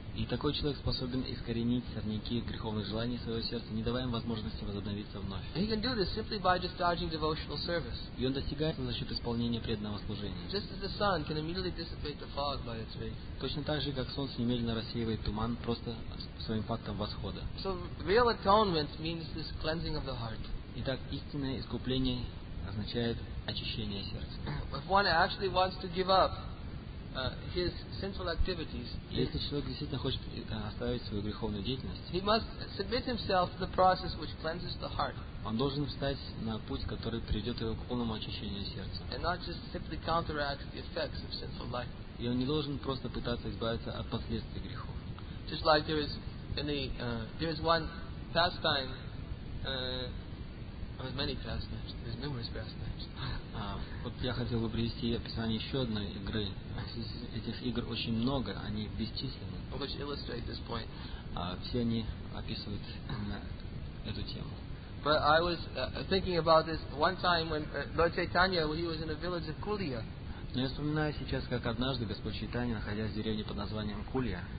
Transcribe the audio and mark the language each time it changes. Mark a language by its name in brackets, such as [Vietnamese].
[Russian] И такой человек способен искоренить сорняки греховных желаний своего сердца, не давая им возможности возобновиться вновь. [English] He can do this simply by discharging devotional service. [Russian] И он достигает это за счет исполнения преданного служения. [English] Just as the sun can immediately dissipate the fog by its rays. [Russian] Точно так же, как солнце немедленно рассеивает туман просто своим фактом восхода. [English] So real atonement means this cleansing of the heart. [Russian] Итак, истинное искупление означает очищение сердца. [English] If one actually wants to give up his sinful activities. [Russian] Если человек действительно хочет оставить свою греховную деятельность, [English] he must submit himself to the process which cleanses the heart. [Russian] Он должен встать на путь, который приведет его к полному очищению сердца. [English] And not just simply counteract the effects of sinful life. [Russian] И он не должен просто пытаться избавиться от последствий грехов. [English] Just like there is in the there is one pastime. There's many pastimes. There's numerous pastimes. [Russian] Вот я хотел бы привести описание еще одной игры. Этих игр очень много, они бесчисленны. [English] Which illustrate this point. [Russian] Все они описывают эту тему. [English] But I was thinking about this one time when Lord Chaitanya, he was in a village of Kulia. [Russian] Но я вспоминаю сейчас, как однажды Господь Чайтанья, находясь в деревне под названием Кулья.